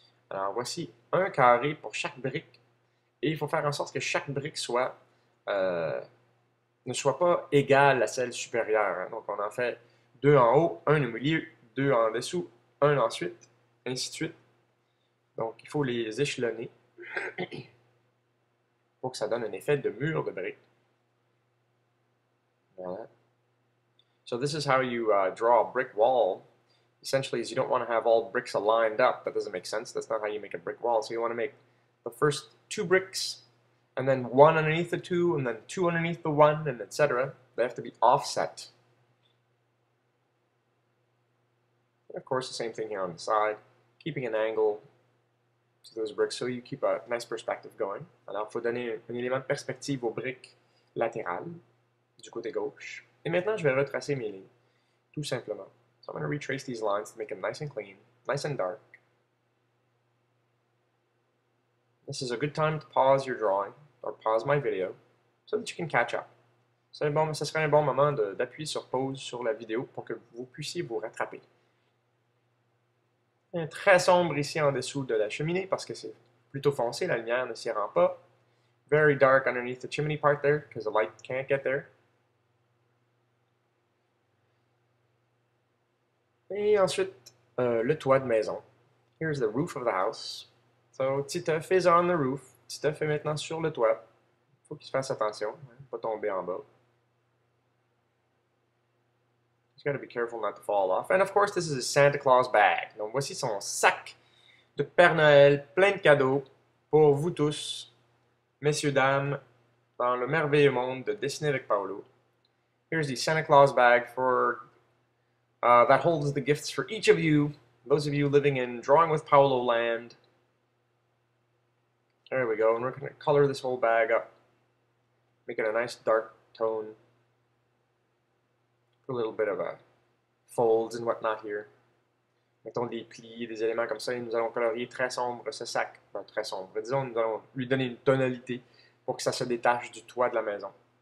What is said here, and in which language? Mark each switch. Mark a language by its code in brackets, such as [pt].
[fr] Alors voici un carré pour chaque brique. Et il faut faire en sorte que chaque brique soit, ne soit pas égale à celle supérieure. Hein. Donc on en fait deux en haut, un au milieu, deux en dessous. Un ensuite, ainsi de suite. Donc, il faut les échelonner pour que ça donne un effet de mur de briques. Voilà. [en] So, this is how you draw a brick wall. Essentially, is you don't want to have all bricks aligned up. That doesn't make sense. That's not how you make a brick wall. So, you want to make the first two bricks, and then one underneath the two, and then two underneath the one, and etc. They have to be offset. Of course, the same thing here on the side, keeping an angle to those bricks so you keep a nice perspective going. [fr] Alors, il faut donner un élément de perspective aux briques latérales du côté gauche. Et maintenant, je vais retracer mes lignes, tout simplement. [en] So, I'm going to retrace these lines to make them nice and clean, nice and dark. This is a good time to pause your drawing or pause my video so that you can catch up. [fr] C'est bon, ce serait un bon moment d'appuyer sur pause sur la vidéo pour que vous puissiez vous rattraper. Très sombre ici en dessous de la cheminée parce que c'est plutôt foncé, la lumière ne s'y rend pas. [en] Very dark underneath the chimney part there because the light can't get there. [fr] Et ensuite, le toit de maison. [en] Here's the roof of the house. So, Titeuf is on the roof. [fr] Titeuf est maintenant sur le toit. Faut qu'il se fasse attention, hein, pas tomber en bas. [en] Gotta be careful not to fall off. And of course, this is a Santa Claus bag. [fr] Donc voici son sac de Père Noël, plein de cadeaux pour vous tous, messieurs, dames, dans le merveilleux monde de Dessiner avec Paolo. [en] Here's the Santa Claus bag for that holds the gifts for each of you, those of you living in Drawing with Paolo land. There we go, and we're going to color this whole bag up, make it a nice dark tone. A little bit of a folds and whatnot here. [fr] Mettons des plis, des éléments comme ça, et nous allons colorier très sombre ce sac. Enfin, très sombre. Disons, nous allons lui donner une tonalité pour que ça se détache du toit de la maison.